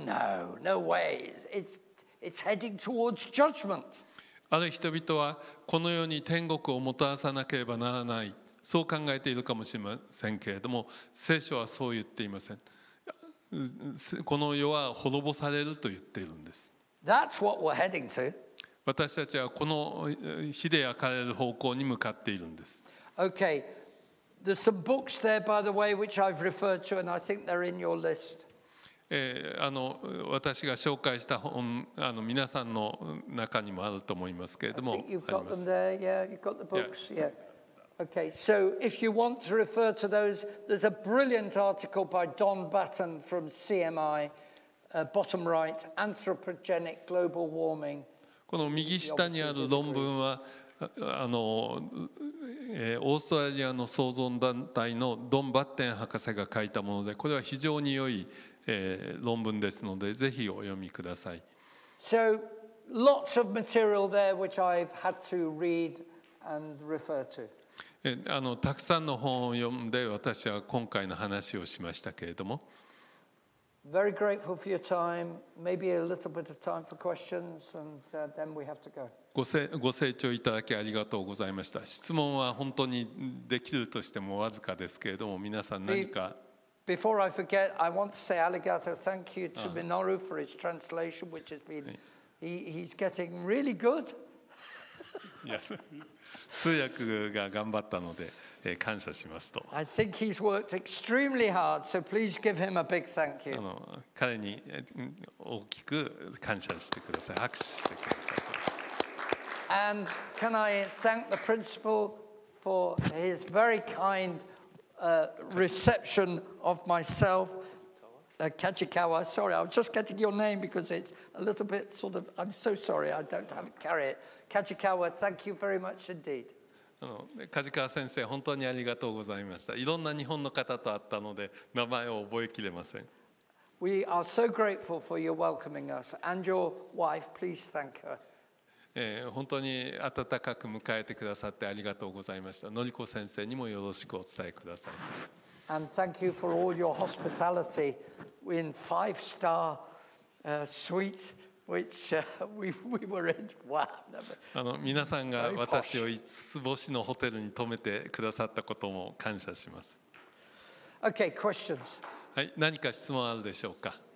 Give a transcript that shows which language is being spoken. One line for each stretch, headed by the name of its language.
English: No, no way. It's heading towards judgment.
Japanese: ある人々はこの世に天国をもたらさなければならない、そう考えているかもしれませんけれども、聖書はそう言っていません。この世は滅ぼされると言っているんです。
English: That's what we're heading to.
Japanese: 私たちはこの火で焼かれる方向に向かっているんです。
English: Okay, there's some books there, by the way, which I've referred to, and I think they're in your list.
Japanese: 私が紹介した本、皆さんの中にもあると思いますけれども、
English: I think you've got them there. Yeah, you've got the books. Yeah. Okay. So if you want to refer to those, there's a brilliant article by Don Batten from CMI, bottom right, Anthropogenic Global Warming.
Japanese: この右下にある論文は。オーストラリアの創造団体のドン・バッテン博士が書いたもので、これは非常に良い、論文ですので、ぜひお読みください。
English: So lots of material there which I've had to read and refer to.
Japanese: たくさんの本を読んで私は今回の話をしましたけれども、
English: Very grateful for your time. Maybe a little bit of time for questions and then we have to go
Japanese: ご清聴いただきありがとうございました。質問は本当にできるとしてもわずかですけれども、皆さん何か
English: Before I forget, I want to say arigato, thank you to Minoru for his translation, which has been, he's getting really good. Yes.
Japanese: 通訳が頑張ったので、感謝しますと。
English: I think he's worked extremely hard, so please give him a big thank you.
Japanese: 彼に大きく感謝してください。拍手してください。
English: And can I thank the principal for his very kind reception of myself, Kajikawa. Sorry, I was just getting your name because it's a little bit sort of, I'm so sorry, I don't have to carry it. Kajikawa, thank you very much indeed.
Japanese: Kajikawa 先生、本当にありがとうございました。いろんな日本の方と会ったので、名前を覚えきれません。
English: We are so grateful for your welcoming us and your wife. Please thank her.
Japanese: 本当に温かく迎えてくださってありがとうございました。のりこ先生にもよろしくお伝えください。
English: And thank you for all your hospitality in five-star suite, which we were in. Wow.
Japanese: 皆さんが私を5つ星のホテルに泊めてくださったことも感謝します。
English: Okay, questions.
Japanese: はい、何か質問あるでしょうか。